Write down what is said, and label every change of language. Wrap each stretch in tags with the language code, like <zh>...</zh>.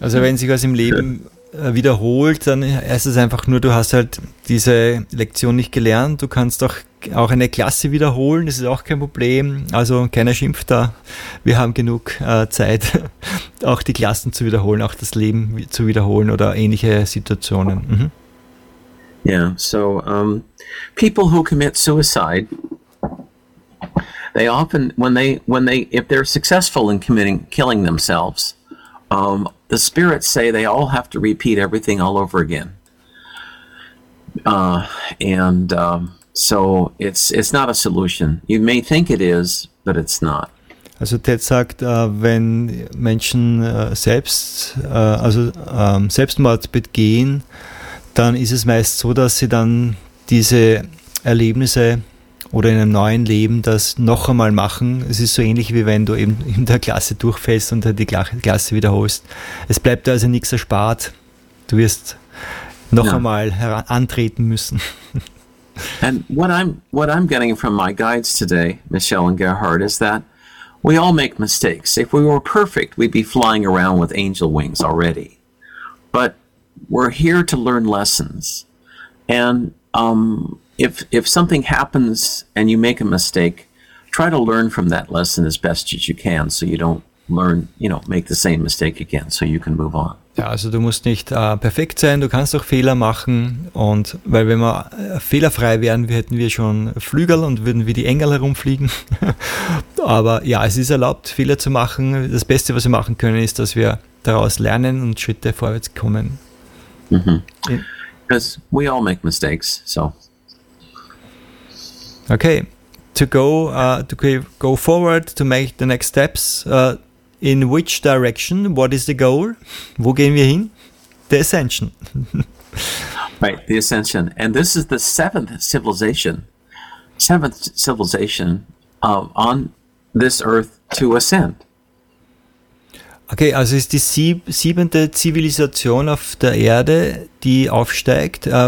<de>Also wenn sich was im Leben wiederholt, dann ist es einfach nur, du hast halt diese Lektion nicht gelernt. Du kannst doch auch eine Klasse wiederholen, das ist auch kein Problem. Also keiner schimpft da. Wir haben genug Zeit, auch die Klassen zu wiederholen, auch das Leben zu wiederholen oder ähnliche Situationen.</de> <en>Yeah, so people who commit suicide, they often, if they're successful in killing themselves, the spirits say they all have to repeat everything all over again. So it's not a solution. You may think it is, but it's not.</en> <de>Also Ted sagt, wenn Menschen Selbstmord begehen, dann ist es meist so, dass sie dann diese Erlebnisse oder in einem neuen Leben das noch einmal machen. Es ist so ähnlich, wie wenn du eben in der Klasse durchfällst und dann die Klasse wiederholst. Es bleibt also nichts erspart. Du wirst noch einmal antreten müssen.</de> <en>And what I'm getting from my guides today, Michelle and Gerhard, is that we all make mistakes. If we were perfect, we'd be flying around with angel wings already. But we're here to learn lessons. And if something happens and you make a mistake, try to learn from that lesson as best as you can, so you don't learn, you know, make the same mistake again, so you can move on.</en> <de>Ja, also du musst nicht perfekt sein, du kannst auch Fehler machen, und weil wenn wir fehlerfrei wären, hätten wir schon Flügel und würden wie die Engel herumfliegen. Aber ja, es ist erlaubt, Fehler zu machen. Das Beste, was wir machen können, ist, dass wir daraus lernen und Schritte vorwärts kommen.</de> <en>Because we all make mistakes, so. Okay, to go forward, to make the next steps, in which direction? What is the goal?</en> <de>Wo gehen wir hin?</de> <en>The ascension. Right, the ascension. And this is the seventh civilization on this earth to ascend.</en> <de>Okay, also ist die siebente Zivilisation auf der Erde, die aufsteigt.</de>